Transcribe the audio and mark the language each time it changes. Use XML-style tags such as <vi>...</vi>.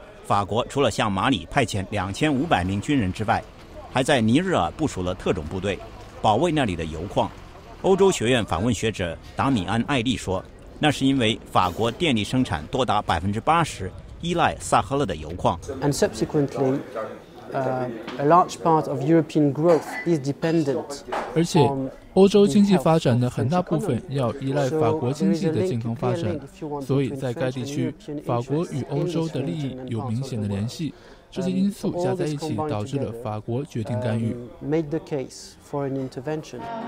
<zh>法国除了向马里派遣2500名军人之外，还在尼日尔部署了特种部队，保卫那里的油矿。欧洲学院访问学者达米安·艾利说，那是因为法国电力生产多达80%依赖萨哈勒的油矿。</zh> <en>And subsequently,a large part of European growth is dependent.</en> <zh>而且，欧洲经济发展的很大部分要依赖法国经济的健康发展，所以在该地区，法国与欧洲的利益有明显的联系。这些因素加在一起，导致了法国决定干预。</zh> <en>Made the case for an intervention.</en>